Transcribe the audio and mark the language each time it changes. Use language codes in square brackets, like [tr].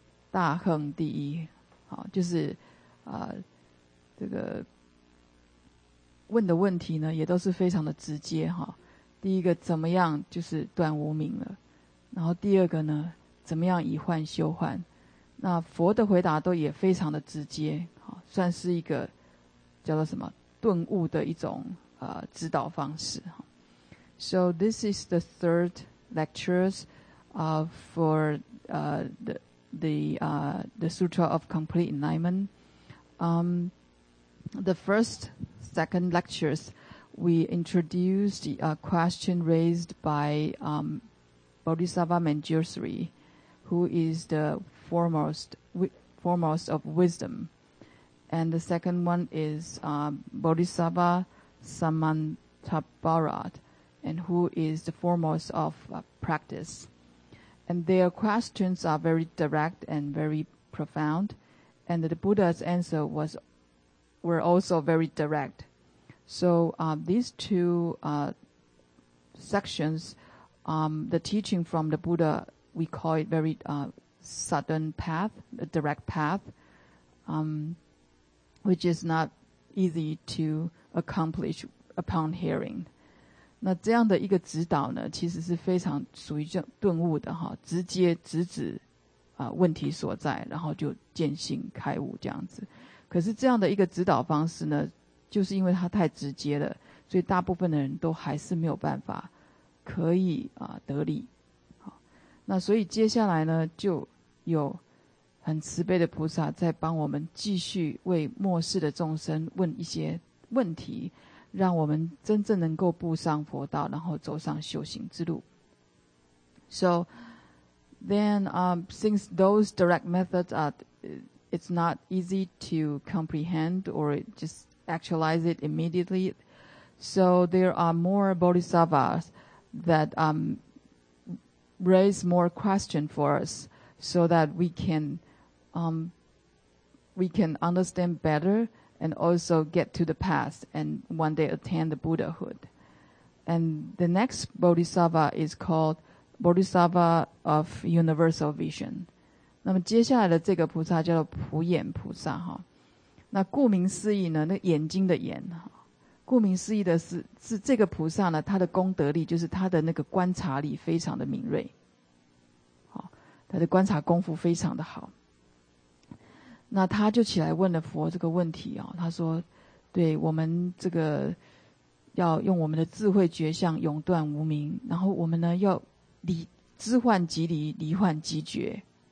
[zh] 大恨第一，好，就是这个问的问题呢，也都是非常的直接哈。第一个怎么样就是断无明了，然后第二个呢怎么样以幻修幻，那佛的回答都也非常的直接，算是一个叫做什么顿悟的一种指导方式。 [en] So this is the third lectures for the Sutra of Complete Enlightenment. The second lectures we introduced a question raised by Bodhisattva Manjushri, who is the foremost of wisdom. And the second one is Bodhisattva Samantabhara, and who is the foremost of practice. And their questions are very direct and very profound, and the Buddha's answer were also very direct. So these two sections, the teaching from the Buddha, we call it very sudden path, a direct path, which is not easy to accomplish upon hearing. [zh] 那这样的一个指导呢，其实是非常属于顿悟的哈，直接直指问题所在，然后就见性开悟这样子。可是这样的一个指导方式呢，就是因为它太直接了，所以大部分的人都还是没有办法可以得利。那所以接下来呢，就有很慈悲的菩萨在帮我们继续为末世的众生问一些问题，让我们真正能够步上佛道，然后走上修行之路。 [en] So then since those direct methods it's not easy to comprehend or just actualize it immediately, so there are more bodhisattvas that raise more questions for us so that we can understand better and also get to the path and one day attain the Buddhahood. And the next bodhisattva is called Bodhisattva of Universal Vision. [zh] 那么接下来的这个菩萨叫做普眼菩萨哈。那顾名思义呢，那眼睛的眼，顾名思义的是这个菩萨呢，他的功德力就是他的那个观察力非常的敏锐。他的观察功夫非常的好，那他就起来问了佛这个问题啊、哦，他说：“对我们这个要用我们的智慧觉相永断无明，然后我们呢要离知幻即离，离幻即觉。